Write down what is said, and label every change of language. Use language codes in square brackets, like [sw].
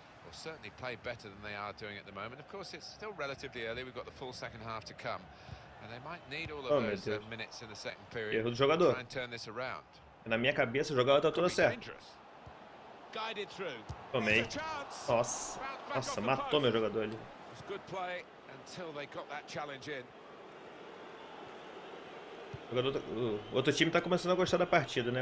[en] Certainly play better than they are doing at the moment. Of course, it's still relatively early. We've got the full second half to come, and they might need all of those minutes in the second period to try and turn this around. [pt] Na minha cabeça, o jogador tá tudo certo. [en] Guided through. [pt] Tomei. Nossa, matou meu jogador ali. [en] Good play until they got that challenge in. [pt] O outro time tá começando a gostar da partida, né?